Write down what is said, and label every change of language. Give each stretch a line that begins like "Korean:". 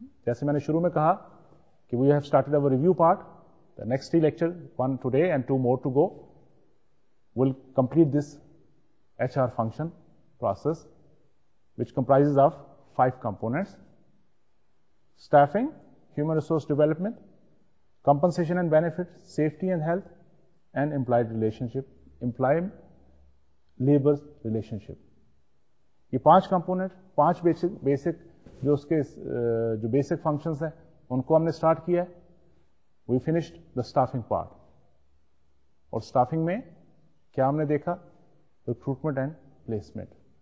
Urdu: جیسے میں نے شروع میں کہا کہ
English: We have started our review part the next three lecture one today and two more to go will complete this HR function process which comprises of five components staffing human resource development compensation and benefits, safety and health, and employee relationship, employee labor relationship.
Urdu: یہ پانچ component پانچ basic جو اس کے جو basic functions ہیں ان کو ہم نے اسٹارٹ کیا ہے.
English: We finished the staffing part.
Urdu: اور اسٹافنگ میں کیا ہم نے دیکھا؟ Recruitment and placement.